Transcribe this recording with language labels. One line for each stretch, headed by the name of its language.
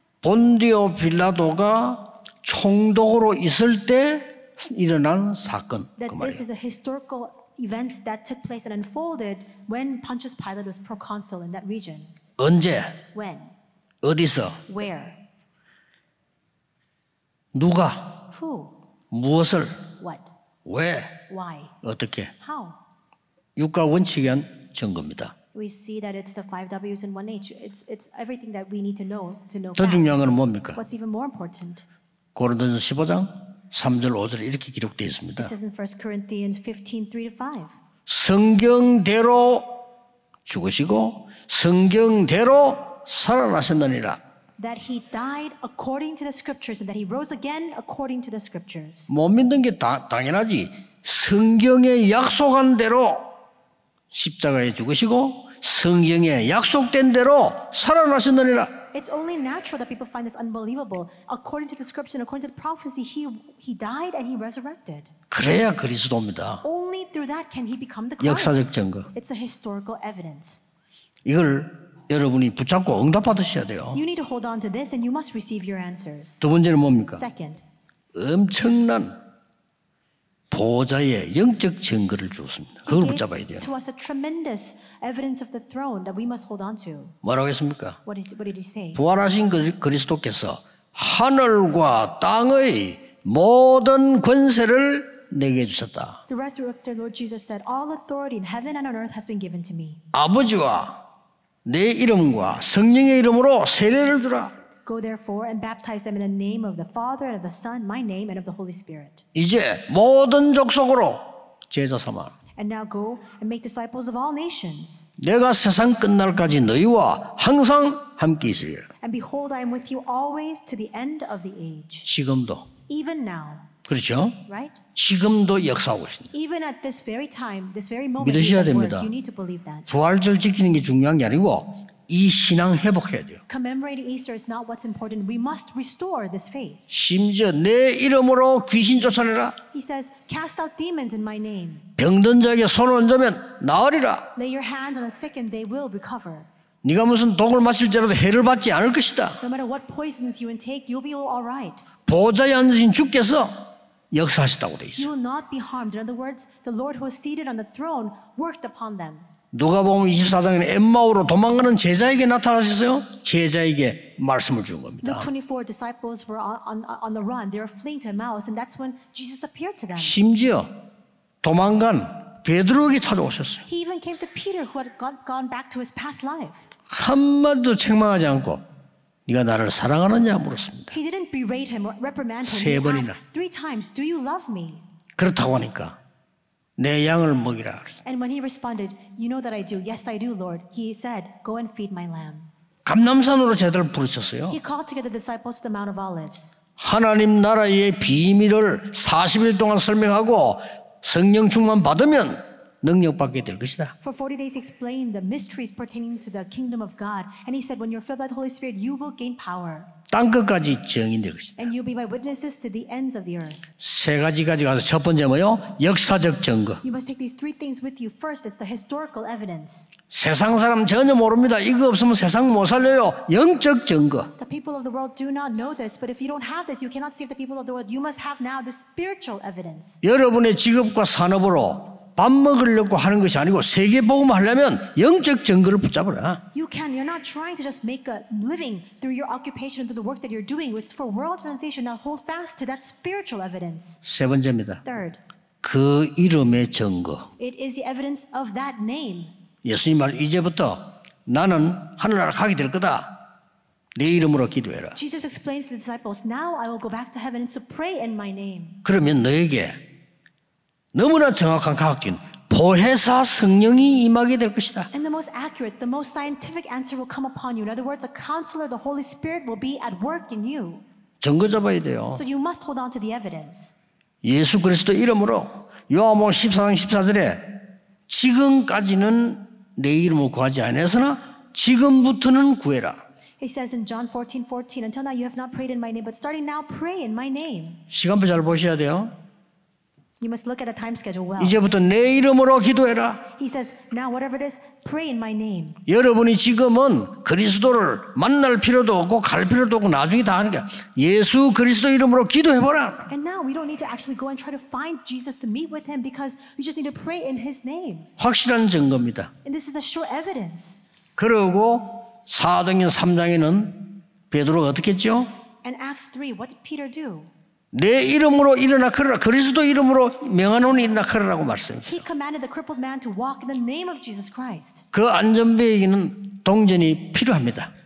Korean: 본디오 빌라도가 총독으로 있을 때 일어난 사건.
English: That
Korean: 그
English: this is a historical event that took place and unfolded when Pontius Pilate was proconsul in that region.
Korean: 언제?
English: When?
Korean: 어디서?
English: Where?
Korean: 누가?
English: Who?
Korean: 무엇을?
English: What?
Korean: 왜?
English: Why?
Korean: 어떻게?
English: How?
Korean: 육과 원칙에 한 증거입니다.
English: We see that it's the five W's and one H. It's everything that we need to know to know.
Korean: 더 중요한 건 뭡니까?
English: What's even more important?
Korean: 고린도전서 15장 3절 5절 이렇게 기록되어 있습니다.
English: It says in 1 Corinthians 15, 3 to 5.
Korean: 성경대로 죽으시고 성경대로 살아나셨느니라.
English: That he died according to the scriptures and that he rose again according to the scriptures.
Korean: 못 믿는 게 당연하지. 성경에 약속한 대로 십자가에 죽으시고 성경에 약속된 대로 살아나셨느니라.
English: It's only natural that people find this unbelievable. According to the scripture, according to the prophecy, he died and he resurrected.
Korean: 그래야 그리스도입니다.
English: Only through that can he become the Christ.
Korean: 역사적 증거.
English: It's a historical evidence.
Korean: 이걸 여러분이 붙잡고 응답받으셔야 돼요.
English: You need to hold on to this and you must receive your answers.
Korean: 두 번째는 뭡니까?
English: Second.
Korean: 엄청난 보좌의 영적 증거를 주었습니다. 그걸 붙잡아야 돼요.
English: To us a tremendous evidence of the throne that we must hold on to.
Korean: 뭐라고 했습니까?
English: What did he say?
Korean: 부활하신 그리스도께서 하늘과 땅의 모든 권세를 내게 주셨다.
English: The resurrected Lord Jesus said, "All authority in heaven and on earth has been given to me."
Korean: 아버지와 내 이름과 성령의 이름으로 세례를 주라.
English: Go therefore and baptize them in the name of the Father and of the Son, my name and of the Holy Spirit.
Korean: 이제 모든 족속으로 제자 삼아.
English: And now go and make disciples of all nations.
Korean: 내가 세상 끝날까지 너희와 항상 함께 있으리라.
English: And behold, I am with you always to the end of the age.
Korean: 지금도.
English: Even now.
Korean: 그렇죠?
English: Right?
Korean: 지금도 역사하고 있습니다.
English: Even at this very time, this very moment.
Korean: 믿으셔야 됩니다.
English: You need to believe that.
Korean: 부활절 지키는 게 중요한 게 아니고 이 신앙 회복해야 돼요.
English: Commemorating Easter is not what's important. We must restore this faith.
Korean: 심지어 내 이름으로 귀신 쫓아내라.
English: He says, cast out demons in my name.
Korean: 병든 자에게 손을 얹으면 나으리라.
English: Lay your hands on the sick and they will recover.
Korean: 네가 무슨 독을 마실지라도 해를 받지 않을 것이다.
English: No matter what poisons you intake, you'll be all right.
Korean: 보좌에 앉으신 주께서 역사하셨다고 돼 있어요.
English: You will not be harmed. In other words, the Lord who is seated on the throne worked upon them.
Korean: 누가 보면 24장에는 엠마오로 도망가는 제자에게 나타나셨어요. 제자에게 말씀을 준 겁니다.
English: The 24 disciples were on the run. They were fleeing to Emmaus, and that's when Jesus appeared to them.
Korean: 심지어 도망간 베드로에게 찾아오셨어요.
English: He even came to Peter, who had gone back to his past life.
Korean: 한마디도 책망하지 않고 네가 나를 사랑하느냐 물었습니다.
English: He didn't berate him or reprimand him.
Korean: 세 번이나.
English: Three times, do you love me?
Korean: 그렇다고 하니까. 내 양을 먹이라.
English: And when he responded, "You know that I do. Yes, I do, Lord." He said, "Go and feed my lamb."
Korean: 감람산으로 제자들 부르셨어요.
English: He called together the disciples to the Mount of Olives.
Korean: 하나님 나라의 비밀을 40일 동안 설명하고 성령 충만 받으면 능력받게 될 것이다.
English: For 40 days he explained the mysteries pertaining to the kingdom of God, and he said, when you're filled by the Holy Spirit, you will gain power.
Korean: 땅 끝까지 증인 될 것이다.
English: And you'll be my witnesses to the ends of the earth.
Korean: 세 가지 가져가서 첫 번째 뭐요? 역사적 증거.
English: You must take these three things with you. First, it's the historical evidence.
Korean: 세상 사람 전혀 모릅니다. 이거 없으면 세상 못 살려요. 영적 증거.
English: The people of the world do not know this, but if you don't have this, you cannot save the people of the world. You must have now the spiritual evidence.
Korean: 여러분의 직업과 산업으로 밥 먹으려고 하는 것이 아니고 세계복음화 하려면 영적 증거를 붙잡으라.
English: You can, you're not trying to just make a living through your occupation and through the work that you're doing. It's for world organization. Now hold fast to that spiritual evidence.
Korean: 세 번째입니다.
English: Third,
Korean: 그 이름의 증거.
English: It is the evidence of that name.
Korean: 예수님 말 이제부터 나는 하늘나라 가게 될 거다. 내 이름으로 기도해라.
English: Jesus explains to the disciples, now I will go back to heaven to pray in my name.
Korean: 그러면 너에게 너무나 정확한 과학적인 보혜사 성령이 임하게 될 것이다.
English: And the most accurate, the most scientific answer will come upon you. In other words, a counselor, the Holy Spirit will be at work in you.
Korean: 증거 잡아야 돼요.
English: So you must hold on to the evidence.
Korean: 예수 그리스도 이름으로 요한복음 14장 14절에 지금까지는 내 이름으로 구하지 않았으나 지금부터는 구해라.
English: He says in John 14, 14, until now you have not prayed in my name, but starting now pray in my name.
Korean: 시간표 잘 보셔야 돼요.
English: You must look at the time schedule well.
Korean: 이제부터 내 이름으로 기도해라.
English: He says, now whatever it is, pray in my name.
Korean: 여러분이 지금은 그리스도를 만날 필요도 없고 갈 필요도 없고 나중에 다 하는 게 예수 그리스도 이름으로 기도해보라.
English: And now we don't need to actually go and try to find Jesus to meet with him because we just need to pray in his name.
Korean: 확실한 증거입니다.
English: And this is a sure evidence.
Korean: 그리고 사도행전 3장에는 베드로가 어떻게 했죠?
English: And Acts 3, what did Peter do?
Korean: 내 이름으로 일어나 크라 그리스도 이름으로 명하노니 일어나 크라라고 말씀했어요.
English: He commanded the crippled man to walk in the name of Jesus Christ.
Korean: 그 안전벨에게는 동전이 필요합니다.